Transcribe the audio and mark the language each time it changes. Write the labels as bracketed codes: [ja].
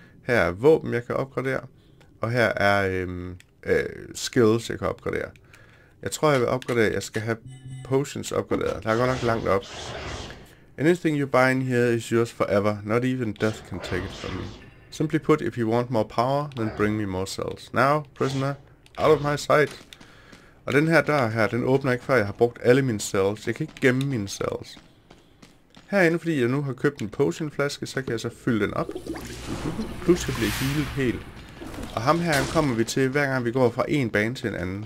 [da] Her er våben, jeg kan opgradere. Og her er skills, jeg kan opgradere. Jeg tror, jeg vil opgradere. Jeg skal have potions opgraderet. Der er godt nok langt op. [en] Anything you buy in here is yours forever. Not even death can take it from you. Simply put, if you want more power, then bring me more cells. Now, prisoner, out of my sight. [da] Og den her dør her, den åbner ikke, før jeg har brugt alle mine cells. Jeg kan ikke gemme mine cells. Herinde, fordi jeg nu har købt en potionflaske, så kan jeg så fylde den op. Plus jeg bliver healet helt. Og ham her, kommer vi til, hver gang vi går fra en bane til en anden.